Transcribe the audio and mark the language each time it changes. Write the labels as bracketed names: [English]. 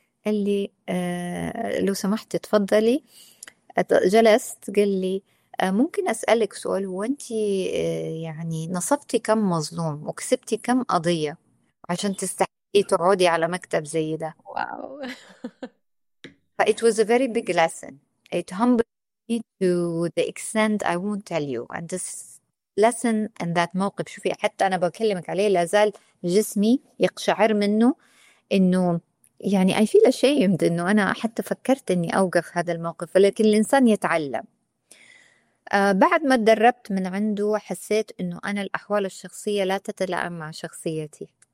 [Arabic] قال لي لو سمحت تفضلي. جلست، قال لي ممكن اسالك سؤال، هو انت يعني نصبتي كم مظلوم وكسبتي كم قضية عشان تستحقي تقعدي على مكتب زي ده؟ واو. [English] It was a very big lesson. It humbled me to the extent I won't tell you. And this lesson and that [Arabic] موقف، شوفي حتى أنا بكلمك عليه لازال جسمي يقشعر منه، إنه يعني [English] I feel ashamed [Arabic] إنه أنا حتى فكرت إني أوقف هذا الموقف، ولكن الإنسان يتعلم. بعد ما تدربت من عنده حسيت إنه أنا الأحوال الشخصية لا تتلائم مع شخصيتي.